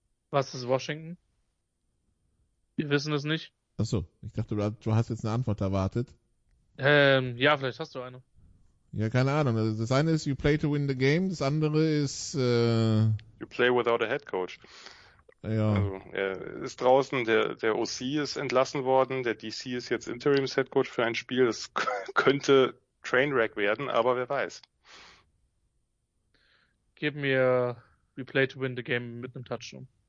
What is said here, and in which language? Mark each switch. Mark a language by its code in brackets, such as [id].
[de] Was ist Washington? Wir wissen es nicht. Achso, ich dachte, du hast jetzt eine Antwort erwartet. Ja, vielleicht hast du eine. Ja, keine Ahnung. Also das eine ist, [en] you play to win the game. [de] Das andere ist... [en] you play without a head coach. [de] Ja. Also, er ist draußen, der OC ist entlassen worden, der DC ist jetzt Interims-Headcoach für ein Spiel, das könnte Trainwreck werden, aber wer weiß. Gib mir We Play to Win the Game mit einem Touchdown.